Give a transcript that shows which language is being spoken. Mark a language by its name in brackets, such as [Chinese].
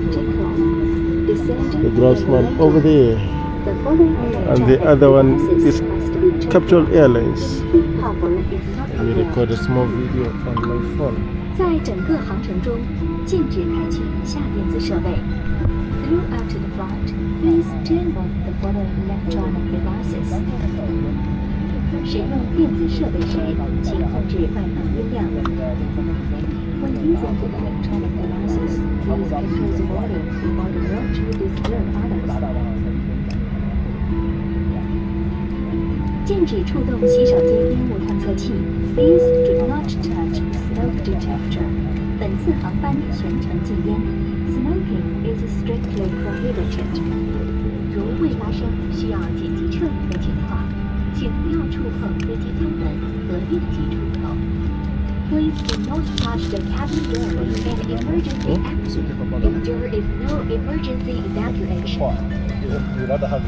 [English] The groundsman over there, and the other one is Capital Airlines. Let me record a small video on my phone. Throughout the flight, please turn off the following electronic devices. [Chinese] 使用电子设备时，请控制外挂音量。 [English] When using the electronic devices, please enclose a bottle or not to disturb others. [Chinese] 禁止触动洗手间烟雾探测器. [English] Please do not touch smoke detector. [Chinese] 本次航班全程禁烟. [English] Smoking is strictly prohibited. [Chinese] 如未发生需要紧急撤离飞机的话，请不要触碰飞机舱门和应急出口. [English] Please do not touch the cabin door and emergency exit. If there is no emergency evacuation.